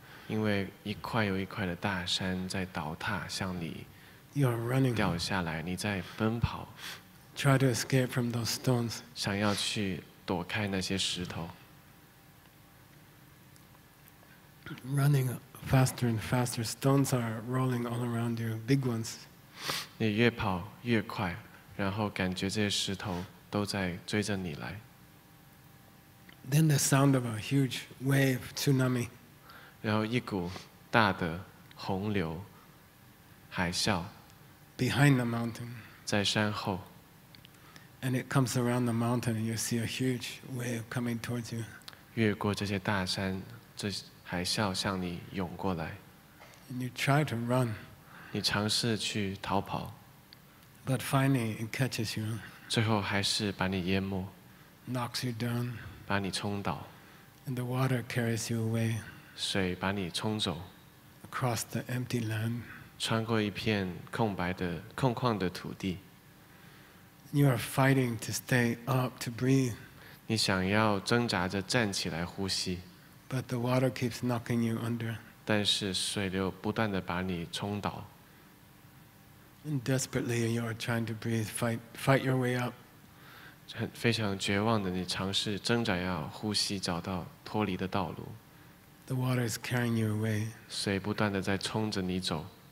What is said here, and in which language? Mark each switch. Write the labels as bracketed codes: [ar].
[zh] 因为一块又一块的大山在倒塌向你。 [en] You are running. [zh] 掉下来，你在奔跑。 [en] Try to escape from those stones. [zh] 想要去躲开那些石头。 [en] Running. Faster and faster, stones are rolling all around you, big ones. [zh] 你越跑越快，然后感觉这些石头都在追着你来。 [en] Then the sound of a huge wave, tsunami. [zh] 然后一股大的洪流，海啸。 [en] Behind the mountain. [zh] 在山后。 [en] And it comes around the mountain, and you see a huge wave coming towards you. [zh] 越过这些大山，这。海啸向你涌过来。 [en] You try to run. [zh] 你尝试去逃跑。 [en] But finally it catches you. [zh] 最后还是把你淹没。 [en] Knocks you down. [zh] 把你冲倒。 [en] And the water carries you away. [zh] 水把你冲走。 [en] Across the empty land. [zh] 穿过一片空白的空旷的土地。 [en] You are fighting to stay up to breathe. [zh] 你想要挣扎着站起来呼吸。 [en] But the water keeps knocking you under. [zh] 但是水流不断地把你冲倒。 [en] And desperately you are trying to breathe, fight your way up. [zh] 非常绝望地你尝试挣扎要呼吸找到脱离的道路。 [en] The water is carrying you away. [zh] 水不断地在冲着你走。